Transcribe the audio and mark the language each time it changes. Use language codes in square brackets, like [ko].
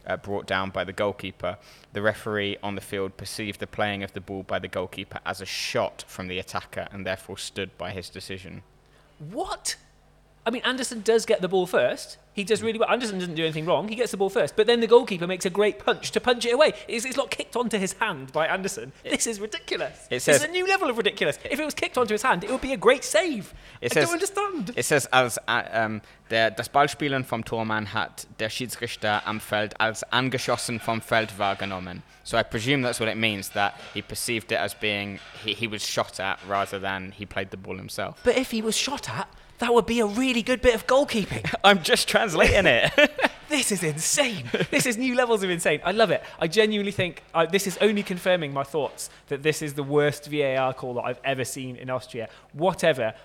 [en] brought down by the goalkeeper. The referee on the field perceived the playing of the ball by the goalkeeper as a shot from the attacker and therefore stood by his decision. What? I mean, Anderson does get the ball first. He does really well. Anderson doesn't do anything wrong. He gets the ball first. But then the goalkeeper makes a great punch to punch it away. It's not kicked onto his hand by Anderson. This is ridiculous. It says, it's a new level of ridiculous. If it was kicked onto his hand, it would be a great save. I don't understand. It says, [de] als das Ballspielen vom Tormann hat der Schiedsrichter am Feld als angeschossen vom Feld wahrgenommen. [en] So I presume that's what it means, that he perceived it as being he was shot at rather than he played the ball himself. But if he was shot at... That would be a really good bit of goalkeeping. I'm just translating it. This is insane. This is new levels of insane. I love it. I genuinely think this is only confirming my thoughts that this is the worst VAR call that I've ever seen in Austria. Whatever.